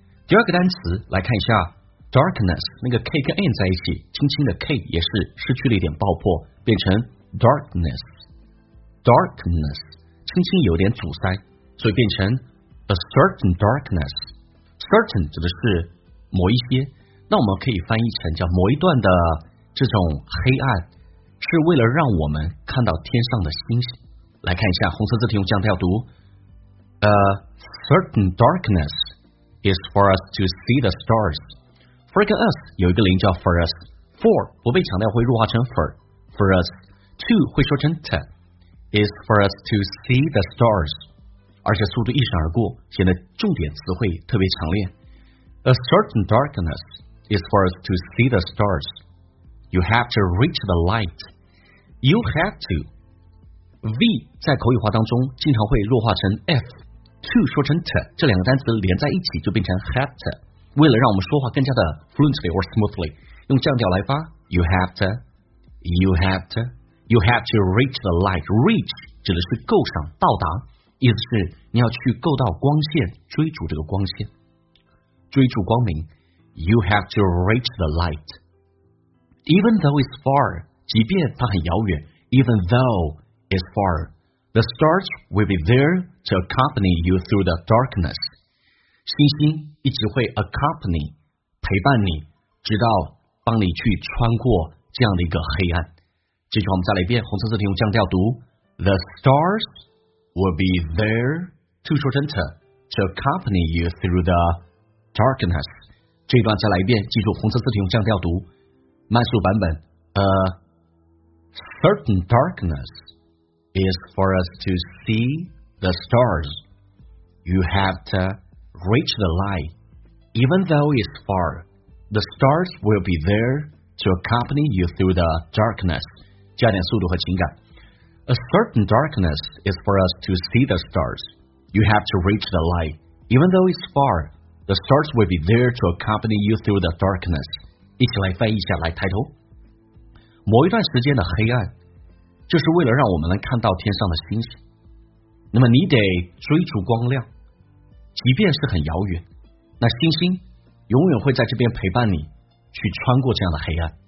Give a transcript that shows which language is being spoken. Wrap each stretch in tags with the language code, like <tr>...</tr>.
<zh>第二个单词来看一下 darkness， 那个 K 跟 N 在一起，轻轻的 K 也是失去了一点爆破，变成 darkness， 轻轻有点阻塞，所以变成</zh> <en>a certain darkness。</en> <zh>Certain 指的是某一些，那我们可以翻译成叫某一段的这种黑暗。是为了让我们看到天上的星星。来看一下红色字体用降调读。</zh> <en>A certain darkness is for us to see the stars.</en> <zh>For 跟 us 有一个零叫 for us. For 不被强调会弱化成 for. For us.</zh> <en>To</en> <zh>会说成</zh> <en>to. Is for us to see the stars.</en> <zh>而且速度一闪而过，显得重点词汇特别强烈。</zh> <en>A certain darkness is for us to see the stars. You have to reach the light. You have to.</en> <zh>V 在口语化当中经常会弱化成 F. To 说成 T. 这两个单词连在一起就变成 have to. 为了让我们说话更加的</zh> <en>fluently or smoothly,</en> <zh>用降调来发</zh> <en>You have to. You have to reach the light.</en> <zh>Reach 指的是够上到达，意思是你要去够到光线，追逐这个光线，追逐光明。</zh> <en>You have to reach the light. Even though it's far,</en> <zh>即便它很遥远</zh> <en>even though it's far, the stars will be there to accompany you through the darkness.</en> <zh>星星一直会 accompany, 陪伴你，直到帮你去穿过这样的一个黑暗。这句话我们再来一遍，红色字体用降调读</zh> <en>The stars will be there to shorten to accompany you through the darkness.</en> <zh>这段再来一遍，记住红色字体用降调读慢速版本。</zh> <en>Certain darkness is for us to see the stars. You have to reach the light. Even though it's far, the stars will be there to accompany you through the darkness.</en> <zh>加点速度和情感。</zh> <en>A certain darkness is for us to see the stars. You have to reach the light. Even though it's far, the stars will be there to accompany you through the darkness.</en> <zh>一起来翻译一下，来抬头。某一段时间的黑暗，就是为了让我们能看到天上的星星。那么你得追逐光亮，即便是很遥远，那星星永远会在这边陪伴你，去穿过这样的黑暗。</zh>